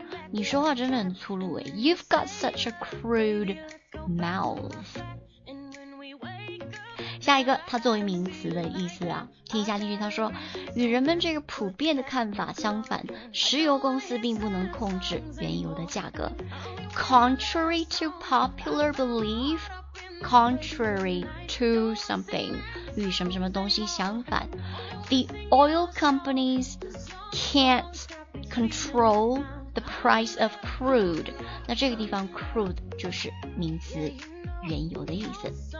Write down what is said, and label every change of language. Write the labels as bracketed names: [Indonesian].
[Chinese] 你说话真的很粗鲁诶。 [English] You've got such a crude mouth。 [Chinese] 下一个，它作为名词的意思啊，听一下例句，它说与人们这个普遍的看法相反，石油公司并不能控制原油的价格。 [English] Contrary to popular belief, contrary to something, [Chinese] 与什么什么东西相反， [English] The oil companies can't control the price of crude. [Chinese] 那这个地方 crude 就是名词原油的意思。